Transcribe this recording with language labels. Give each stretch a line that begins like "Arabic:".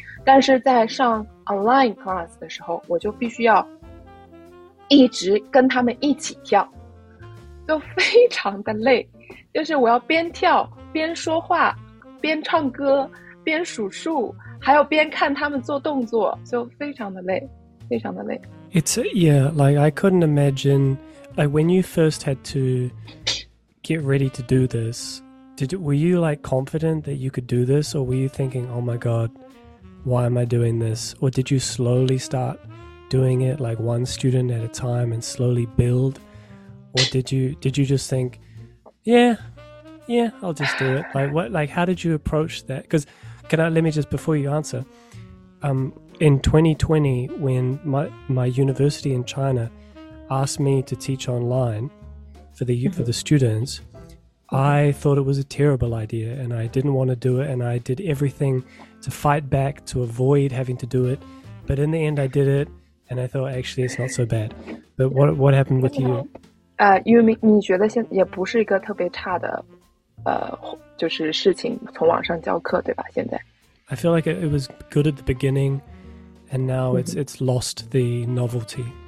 Chinese: 但是在上
English: online class
Chinese: 的时候，我就必须要一直跟他们一起跳。就非常的累，就是我要边跳边说话边唱歌边数数还要边看他们做动作，就非常的累，非常的累。
English: It's yeah, like I couldn't imagine, like when you first had to get ready to do this, were you like confident that you could do this, or were you thinking, oh my god, why am I doing this? Or did you slowly start doing it like one student at a time and slowly buildOr did you just think, yeah, I'll just do it? Like, what, like, how did you approach that? Because, let me just, before you answer, in 2020, when my university in China asked me to teach online for the, for the students, I thought it was a terrible idea and I didn't want to do it. And I did everything to fight back, to avoid having to do it. But in the end, I did it and I thought, actually, it's not so bad. But what happened with you?
Chinese: 因为你觉得现在也不是一个特别差的就是事情，从网上教课对吧，现在
English: I feel like it was good at the beginning and now it's lost the novelty、